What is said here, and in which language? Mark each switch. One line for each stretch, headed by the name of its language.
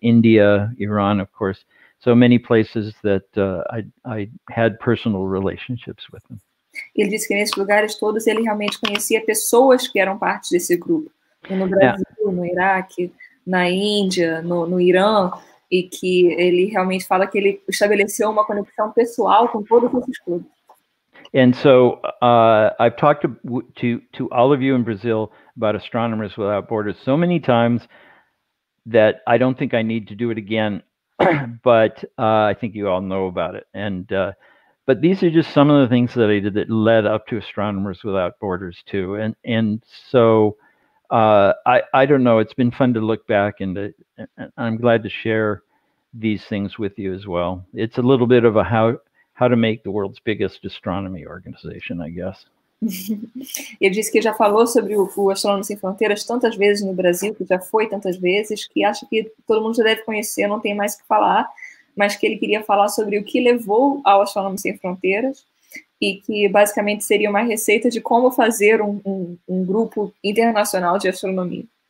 English: India, Iran, of course. So many places that I had personal relationships with them.
Portuguese: Ele disse que nesses lugares todos ele realmente conhecia pessoas que eram parte desse grupo, no Brasil, yeah. No Iraque, na Índia, no Irã, e que ele realmente fala que ele estabeleceu uma conexão pessoal com todos esses clubes.
English: And so I've talked to all of you in Brazil about Astronomers Without Borders so many times that I don't think I need to do it again, but I think you all know about it. And but these are just some of the things that I did that led up to Astronomers Without Borders too. And so I don't know. It's been fun to look back, and I'm glad to share these things with you as well. It's a little bit of a how to make the world's biggest astronomy organization, I guess.
Portuguese: Ele disse que já falou sobre o Astrônomo Sem Fronteiras tantas vezes no Brasil, que já foi tantas vezes, que acha que todo mundo já deve conhecer, não tem mais o que falar, mas que ele queria falar sobre o que levou ao Astrônomo Sem Fronteiras e que basicamente seria uma receita de como fazer um grupo internacional de astronomia.